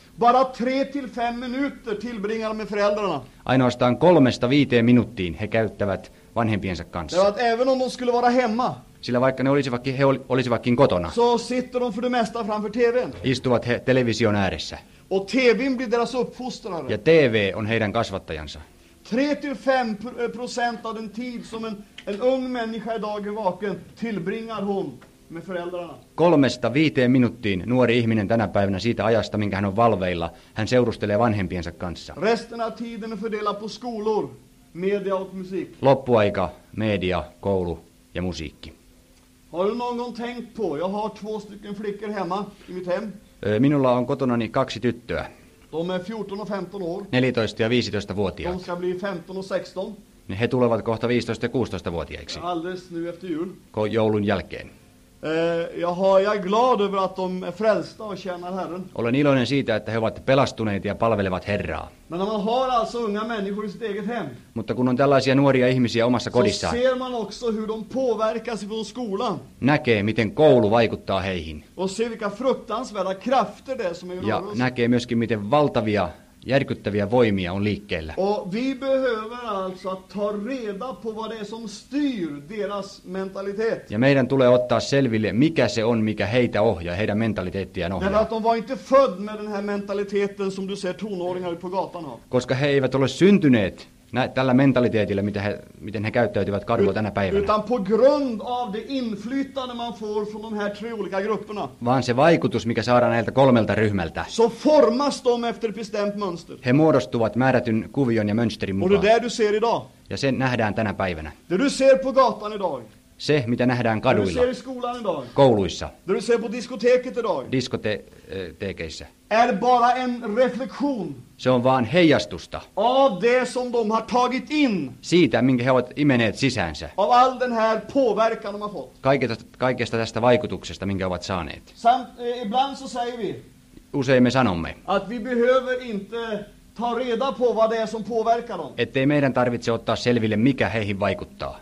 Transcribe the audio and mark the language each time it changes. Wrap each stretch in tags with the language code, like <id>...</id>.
<sv>Bara 3-5 minuter tillbringar de med föräldrarna.</sv> <fi>Ainoastaan 3-5 minuuttiin he käyttävät vanhempiensa kanssa.</fi> <sv>Det var att även om de skulle vara hemma.</sv> <fi>Sillä vaikka ne olisivatkin, he olisivatkin kotona.</fi> <sv>Så sitter de för det mesta framför TV:n.</sv> <fi>Istuvat he television ääressä.</fi> <sv>Och TV:n blir deras uppfostrare.</sv> <fi>Ja TV on heidän kasvattajansa.</fi> <sv>3-5% av den tid som en ung människa idag är vaken tillbringar hon med föräldrarna.</sv> <fi>3-5 minuuttiin nuori ihminen tänä päivänä siitä ajasta, minkä hän on valveilla, hän seurustelee vanhempiensa kanssa.</fi> <sv>Resten av tiden är fördelad på skolor, media och musik.</sv> <fi>Loppuaika, media, koulu ja musiikki.</fi> <sv>Har du någon tänkt på? Jag har 2 flickor hemma i mitt hem.</sv> <fi>Minulla on kotonani 2 tyttöä.</fi> <sv>De är 14 och 15 år.</sv> <fi>14 ja 15 vuotiaat.</fi> <sv>De ska bli 15 och 16.</sv> <fi>Ne he tulevat kohta 15 ja 16 vuotiaiksi.</fi> <sv>Alldeles nu efter jul.</sv> <fi>Joulun jälkeen.</fi> <sv>Jag är glad över att de är frälsta och tjänar Herren.</sv> <fi>Olen iloinen siitä, että he ovat pelastuneet ja palvelevat Herraa.</fi> <sv>Men man har alltså unga människor i sitt eget hem.</sv> <fi>Mutta kun on tällaisia nuoria ihmisiä omassa kodissaan.</fi> <sv>Så ser man också hur de påverkas i skolan.</sv> <fi>Näkee, miten koulu vaikuttaa heihin.</fi> <sv>Och ser vilka fruktansvärda krafter det är som är i rörelse.</sv> <fi>Ja näkee myöskin, miten valtavia järkyttäviä voimia on liikkeellä.</fi> <sv>Och vi behöver alltså att ta reda på vad det är som styr deras mentalitet.</sv> <fi>Ja meidän tulee ottaa selville, mikä se on, mikä heitä ohjaa, heidän mentaliteettiään ohjaa.</fi> <sv>Därför att de var inte född med den här mentaliteten som du ser tonåringar på gatan har.</sv> <fi>Koska he eivät ole syntyneet tällä mentaliteetillä, miten he käyttäytyvät kadulla tänä päivänä.</fi> <sv>Utan på grund av det inflytande man får från de här tre olika grupperna.</sv> <fi>Vaan se vaikutus, mikä saadaan näiltä kolmelta ryhmältä.</fi> <sv>Så formas de efter bestämt mönster.</sv> <fi>He muodostuvat määrätyn kuvion ja mönsterin mukaan.</fi> <sv>Och det där du ser idag.</sv> <fi>Ja sen nähdään tänä päivänä.</fi> <sv>Det du ser på gatan idag.</sv> <fi>Se, mitä nähdään kaduilla.</fi> <sv>Det du ser i skolan idag.</sv> <fi>Kouluissa.</fi> <sv>Det du ser på diskoteket idag.</sv> <fi>Diskotekeissä.</fi> <sv>Är bara en reflektion.</sv> <fi>Se on vaan heijastusta.</fi> <sv>Av det som de har tagit in.</sv> <fi>Siitä, minkä he ovat imeneet sisäänsä.</fi> <sv>Av all den här påverkan de har fått.</sv> <fi>Kaikesta tästä vaikutuksesta, minkä ovat saaneet.</fi> <sv>Ibland så säger vi.</sv> <fi>Usein me sanomme.</fi> <sv>Att vi behöver inte ta reda på vad det är som påverkar dem.</sv> <fi>Ettei meidän tarvitse ottaa selville, mikä heihin vaikuttaa.</fi>